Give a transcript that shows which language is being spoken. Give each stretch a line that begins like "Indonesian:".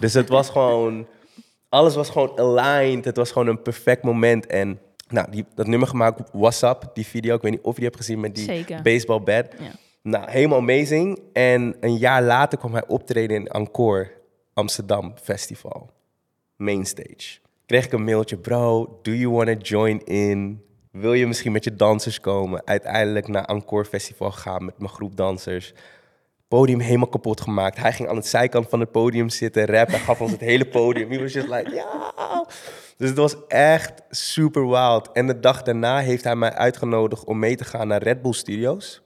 Dutch: Dus het was gewoon, alles was gewoon aligned. Het was gewoon een perfect moment. En nou, dat nummer gemaakt, What's Up, die video, ik weet niet of je die hebt gezien met die Zeker.
English: Baseball bat.
Dutch: Ja. Nou, helemaal amazing. En een jaar later kwam hij optreden in encore Amsterdam Festival. Mainstage. Kreeg ik een mailtje.
English: Bro, do you want to join in?
Dutch: Wil je misschien met je dansers komen? Uiteindelijk naar Encore Festival gaan met mijn groep dansers. Podium helemaal kapot gemaakt. Hij ging aan het zijkant van het podium zitten. Rap, hij gaf ons het hele podium.
English: He was just like,
Dutch: ja. Dus het was echt super wild. En de dag daarna heeft hij mij uitgenodigd om mee te gaan naar Red Bull Studios.